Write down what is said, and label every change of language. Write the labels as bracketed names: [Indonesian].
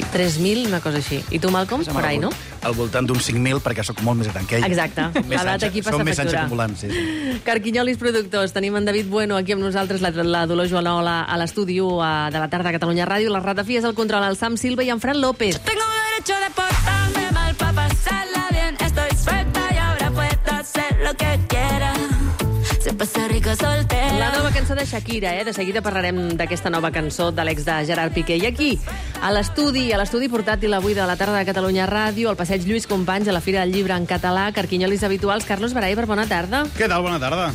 [Catalan] 3.000, una cosa així. I tu, Malcom, per ahí, no? Al voltant d'uns 5.000, perquè sóc molt més gran que ell. Exacte. L'edat aquí passa factura. Som més anys acumulant, sí. Carquinyolis productors, tenim en David Bueno aquí amb nosaltres, la Dolors Joanola a l'estudi de la tarda a Catalunya Ràdio, les ratafies al control, el Sam Silva i en Fran López. [Spanish] Tengo derecho de portarme mal pa pasarla bien. Estoy suelta y ahora puedo hacer lo que quiera. [Catalan] La nova cançó de Shakira, eh? De seguida parlarem d'aquesta nova cançó de l'ex de Gerard Piqué. I aquí, a l'estudi portàtil avui de la tarda de Catalunya Ràdio, al passeig Lluís Companys, a la Fira del Llibre en Català, carquinyolis habituals, Carlos Baraiber, bona tarda. Què tal, bona tarda?